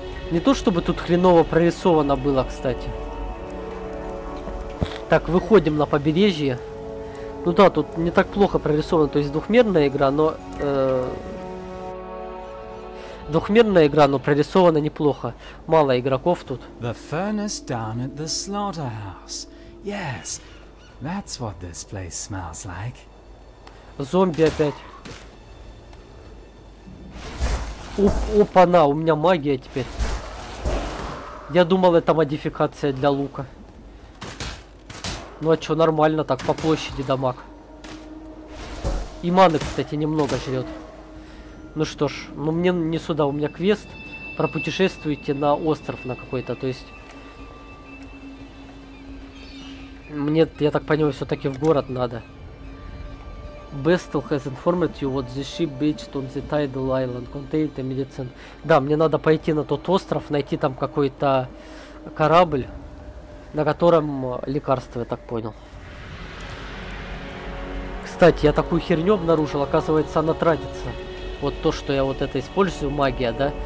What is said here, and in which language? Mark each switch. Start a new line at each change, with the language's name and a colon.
Russian: Не то чтобы тут хреново прорисовано было, кстати. Так, выходим на побережье. Ну да, тут не так плохо прорисовано, то есть двухмерная игра, но... Двухмерная игра, но прорисована неплохо. Мало игроков тут.
English: The furnace down at the slaughterhouse. Yes, that's what this place smells like.
Russian: Зомби опять. Опа-на, у меня магия теперь. Я думал, это модификация для лука. Ну а чё, нормально так, по площади дамаг. И маны, кстати, немного жрет. Ну что ж, ну мне не сюда, у меня квест. Пропутешествуйте на остров на какой-то, то есть... Мне, я так понимаю, все-таки в город надо.
English: Bestel has informed you what the ship beached on the Tidal Island contained a medicine.
Russian: Да, мне надо пойти на тот остров, найти там какой-то корабль, на котором лекарство, я так понял. Кстати, я такую херню обнаружил, оказывается, она тратится. Вот то, что я вот это использую, магия, да?